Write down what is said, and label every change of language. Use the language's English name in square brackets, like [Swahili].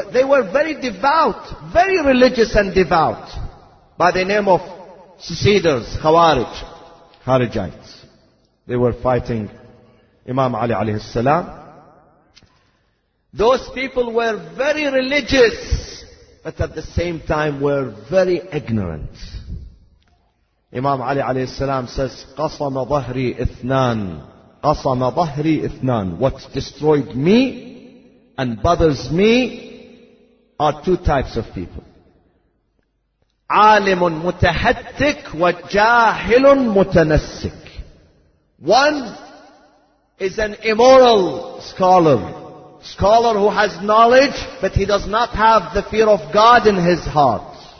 [English] They were very devout, very religious and devout, by the name of Seceders, Khawarij, Kharijites. They were fighting Imam Ali alayhi salam. Those people were very religious, but at the same time were very ignorant. Imam Ali alayhi salam says, [Arabic] قَصَمَ ظَهْرِي إِثْنَان قَصَمَ ظَهْرِي إِثْنَان. [English] What destroyed me and bothers me are two types of people. [Arabic] عالم متهتك وجاهل متنسك. [English] One is an immoral scholar who has knowledge, but he does not have the fear of God in his heart.